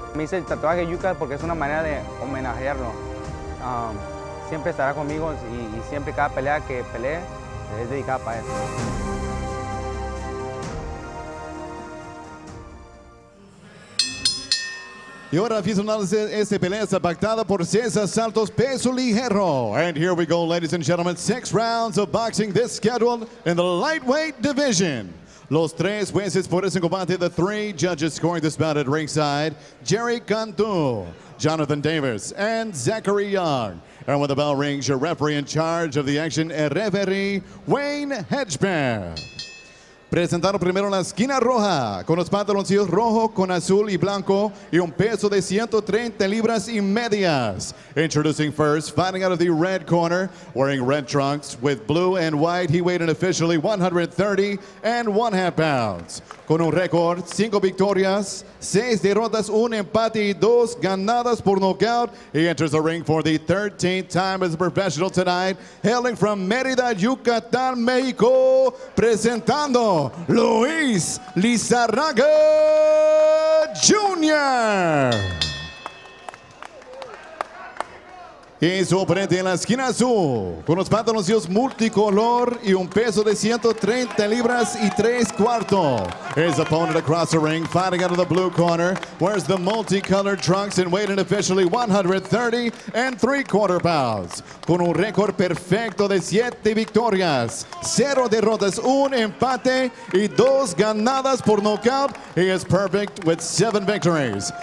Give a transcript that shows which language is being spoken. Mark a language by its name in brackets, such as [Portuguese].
[Spanish] Me hice el tatuaje Yuka porque es una manera de homenajearlo. Siempre estará conmigo y siempre cada pelea que pelee es dedicada para él. Y ahora aficionados, esta pelea está pactada por César Santos, peso ligero. [English] And here we go, ladies and gentlemen, six rounds of boxing this scheduled in the lightweight division. [Spanish] Los tres jueces por ese combate, [English] the three judges scoring this bout at ringside, Jerry Cantu, Jonathan Davis, and Zachary Young. And when the bell rings, your referee in charge of the action, el referee Wayne Hedgepeth. [Spanish] Presentaron primero la esquina roja, con los pantaloncillos rojo, con azul y blanco, y un peso de 130 libras y medias. [English] Introducing first, fighting out of the red corner, wearing red trunks with blue and white, he weighed an officially 130 and 1/2 pounds. [Spanish] Con un récord, 5 victorias, 6 derrotas, 1 empate y 2 ganadas por knockout, [English] he enters the ring for the 13th time as a professional tonight, hailing from [Spanish] Mérida, Yucatán, México, presentando Luis Lizarraga Jr. Y su oponente en la esquina azul, con los pantaloncillos multicolor y un peso de 130 libras y 3/4. [English] His opponent across the ring, fighting out of the blue corner, wears the multicolored trunks and weighing officially 130 and 3/4 pounds. [Spanish] Con un récord perfecto de 7 victorias, 0 derrotas, 1 empate y 2 ganadas por knockout, [English] he is perfect with 7 victories.